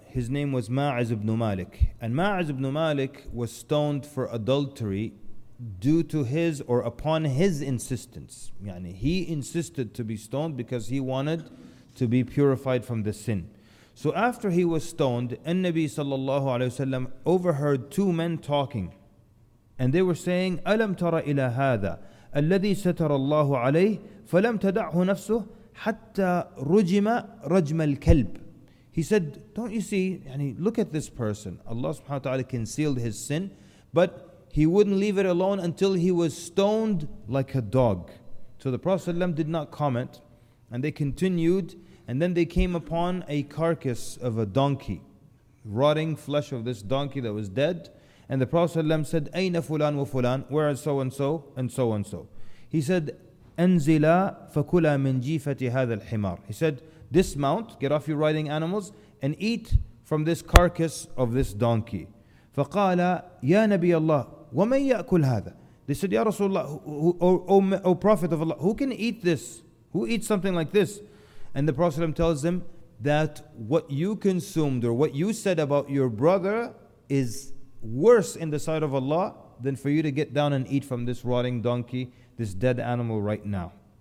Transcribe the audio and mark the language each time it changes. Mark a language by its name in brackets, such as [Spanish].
[English] His name was Ma'az ibn Malik. And Ma'az ibn Malik was stoned for adultery due to his or upon his insistence. Yani he insisted to be stoned because he wanted to be purified from the sin. So after he was stoned, An-Nabi sallallahu alayhi wasallam overheard two men talking. And they were saying, [Arabic] أَلَمْ تَرَ إِلَى هَذَا الَّذِي سَتَرَ اللَّهُ عَلَيْهِ فَلَمْ تَدَعْهُ نَفْسُهُ حَتَّى رُجِمَ رَجْمَ الْكَلْبِ. [English] He said, don't you see, [Arabic] يعني, [English] look at this person. Allah subhanahu wa ta'ala concealed his sin, but he wouldn't leave it alone until he was stoned like a dog. So the Prophet sallallahu alayhi wasallam did not comment, and they continued. And then they came upon a carcass of a donkey, rotting flesh of this donkey that was dead. And the Prophet ﷺ said, [Arabic] أَيْنَ فُلَان وَفُلَان, [English] where is so-and-so and so-and-so? [Arabic] He said, أَنْزِلَا فَكُلَا مِنْ جِيفَةِ هَذَا الْحِمَارِ. [English] He said, dismount, get off your riding animals, and eat from this carcass of this donkey. [Arabic] فَقَالَ يَا نَبِيَ اللَّهِ وَمَنْ يَأْكُلْ هَذَا? [English] They said, [Arabic] يَا رَسُولَ اللَّهِ, [English] O Prophet of Allah, who can eat this? Who eats something like this? And the Prophet ﷺ tells him that what you consumed or what you said about your brother is worse in the sight of Allah than for you to get down and eat from this rotting donkey, this dead animal right now.